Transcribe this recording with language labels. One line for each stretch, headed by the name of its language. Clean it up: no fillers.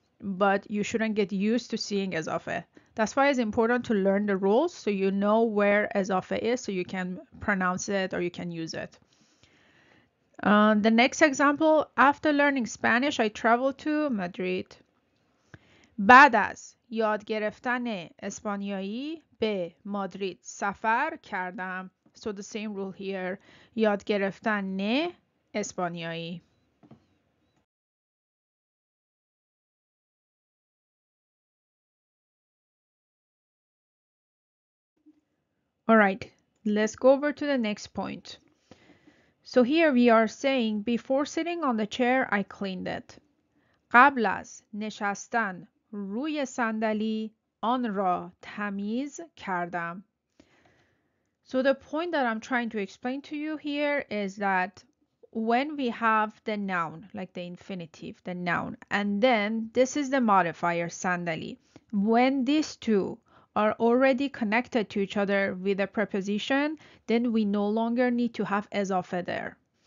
English: But you shouldn't get used to seeing ezafe. That's why it's important to learn the rules so you know where ezafe is so you can pronounce it or you can use it. The next example, after learning Spanish, I traveled to Madrid.
Persian: بعد از یاد گرفتن اسپانیایی به مادرید سفر کردم.
English: So the same rule here,
Persian: یاد گرفتن اسپانیایی.
English: All right, let's go over to the next point. So here we are saying, before sitting on the chair, I cleaned it.
Persian: قبل از نشستن روی صندلی آن را تمیز کردم.
English: So the point that I'm trying to explain to you here is that when we have the noun, like the infinitive, the noun, and then this is the modifier, صندلی. When these two are already connected to each other with a preposition, then we no longer need to have ezafe there.